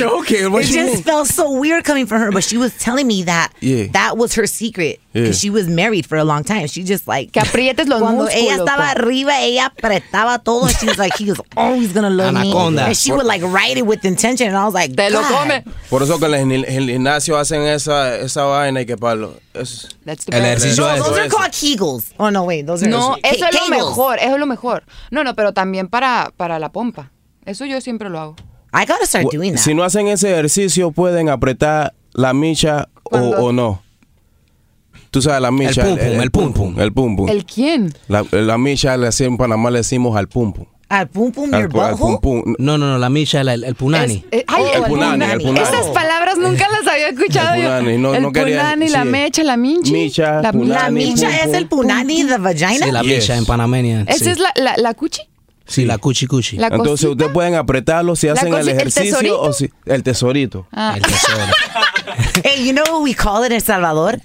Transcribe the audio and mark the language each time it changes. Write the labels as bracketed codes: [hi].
[en] choke it. It just felt so weird coming from her, but she was telling me that that was her secret because she was married for a long time. She just like, [es] que aprietes los cuando ella estaba arriba, ella apretaba todo. [en] She was like, he was always going to love me. And she would like write it with intention, and I was like, [es] te lo come. Por eso que en el gimnasio hacen esa vaina y que para los. [en] That's the best. No, those are called Kegels. Oh, no, wait. Those are [es] no, eso es lo mejor. Eso es lo mejor. No, no, pero también para la pompa. Eso yo siempre lo hago. [en] I gotta start doing that. [es] Si no hacen ese ejercicio, pueden apretar la micha o no. Tú sabes, la micha. El pum pum. ¿El quién? La micha, en Panamá le decimos al pum pum. Al pum pum, [en] your butthole? [es] No, la micha, el punani. El punani. Esas palabras nunca las había escuchado. La micha es el punani, [en] the vagina. [es] Sí, la micha en panameña. ¿Esa es la cuchi? Sí, la cuchi. Entonces, ustedes pueden apretarlo si hacen el ejercicio o si. El tesorito. El tesoro. [en] Hey, you know what we call it in El Salvador?